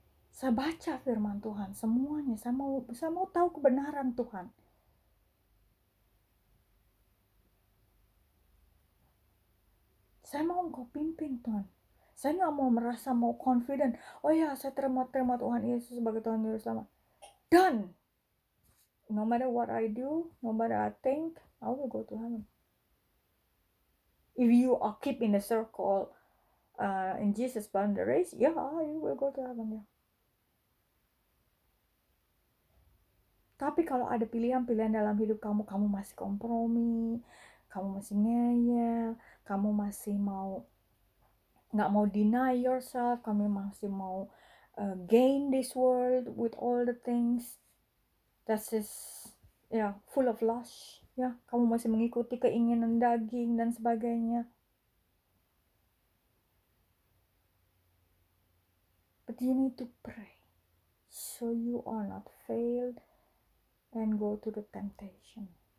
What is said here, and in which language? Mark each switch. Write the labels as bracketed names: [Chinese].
[Indonesian] Saya baca firman Tuhan semuanya. Saya mau tahu kebenaran Tuhan. Saya mau engkau pimpin, Tuhan. Saya nggak mau merasa mau confident. Oh ya, saya terima Tuhan Yesus sebagai Tuhan Yesus sama. [English] Done. No matter what I do, no matter I think, I will go to heaven. If you are keep in a circle, in Jesus' boundaries, yeah, you will go to heaven. Yeah. [Indonesian] Tapi kalau ada pilihan-pilihan dalam hidup kamu, kamu masih kompromi, kamu masih ngeyel, kamu masih mau, gak mau [English] deny yourself, [Indonesian] kamu masih mau [English] gain this world with all the things, that is, yeah, full of lust. [Indonesian] Yeah, kamu masih mengikuti keinginan daging dan sebagainya. [English] But you need to pray so you are not failed and go to the temptation.